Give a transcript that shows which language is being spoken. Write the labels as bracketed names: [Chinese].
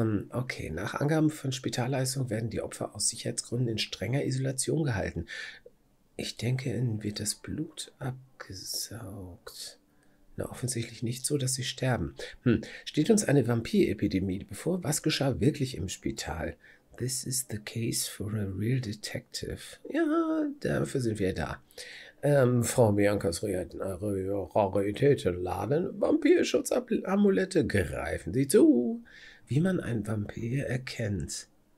[German] Okay, nach Angaben von Spitalleistung werden die Opfer aus Sicherheitsgründen in strenger Isolation gehalten. Ich denke, ihnen wird das Blut abgesaugt. Na, offensichtlich nicht so, dass sie sterben. Steht uns eine Vampirepidemie bevor? Was geschah wirklich im Spital? [English] This is the case for a real detective. [German] Ja, dafür sind wir da. Frau Biancas Raritätenladen, Vampirschutzamulette, greifen Sie zu. Wie man einen Vampir erkennt.